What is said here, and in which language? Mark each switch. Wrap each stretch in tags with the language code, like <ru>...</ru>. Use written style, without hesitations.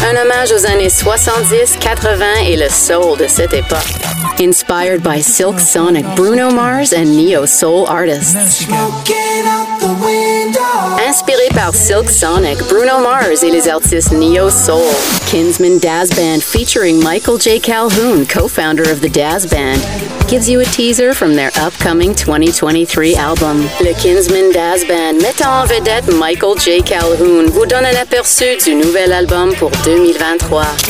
<fr>Un hommage aux années 70, 80 et le soul de cette époque.</fr> <en>Inspired by Silk Sonic, Bruno Mars and neo-soul artists.</en> <fr>Inspiré par Silk Sonic, Bruno Mars et les artistes neo-soul.</fr> <en>Kinsmen Daz Band featuring Michael J. Calhoun, co-founder of the Daz Band, gives you a teaser from their upcoming 2023 album.</en> <fr>Le Kinsmen Daz Band, mettant en vedette Michael J. Calhoun, vous donne un aperçu du nouvel album pour 2023.</fr>